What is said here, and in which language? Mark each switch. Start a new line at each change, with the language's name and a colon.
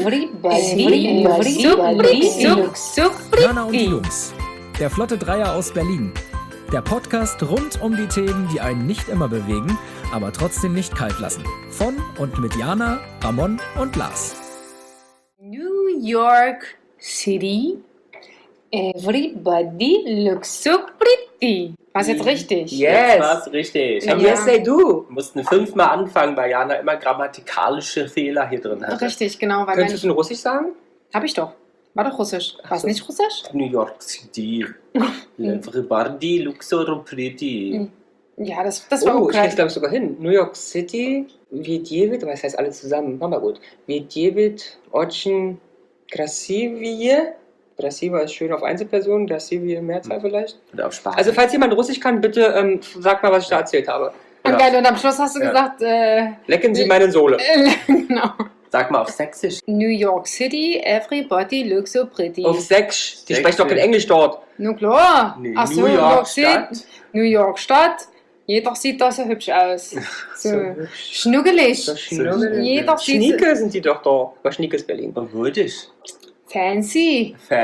German: City, Hörner und Jungs, der Flotte Dreier aus Berlin. Der Podcast rund um die Themen, die einen nicht immer bewegen, aber trotzdem nicht kalt lassen. Von und mit Jana, Ramon und Lars.
English: New York City. Everybody looks so pretty.
German: War's jetzt richtig?
English: Yes.
German: Jetzt war's richtig.
English: Yes, they do.
German: Mussten fünfmal anfangen, weil Jana immer grammatikalische Fehler hier drin hat. Richtig, genau. Weil könntest du in Russisch sagen? Hab ich doch. War doch Russisch. War's nicht Russisch?
English: New York City. Everybody looks so pretty.
German: Ja, das war okay. Oh, ich krieg's, glaube ich, sogar hin. New York City. Vedjevit, aber es heißt alles zusammen. Machen wir gut.
Russian: Vedjevit, Ochen, Krasivie.
German: Das hier war schön auf Einzelpersonen, das hier wie Mehrzahl vielleicht. Oder auf Spaß. Also falls jemand Russisch kann, bitte sag mal, was ich da erzählt habe. Und geil, und am Schluss hast du gesagt... Lecken Sie meine Sohle. Genau. Sag mal auf Sächsisch.
English: New York City, everybody looks so pretty.
German: Auf Sächsisch, die sprechen doch kein Englisch dort. Nun klar. Nee. Ach so, New York Stadt. New York Stadt, jeder sieht da so hübsch aus. So hübsch. Schnuggelig. Schnieke sind die doch da. Was Schnieke ist Berlin. Oh, würdig. Fancy.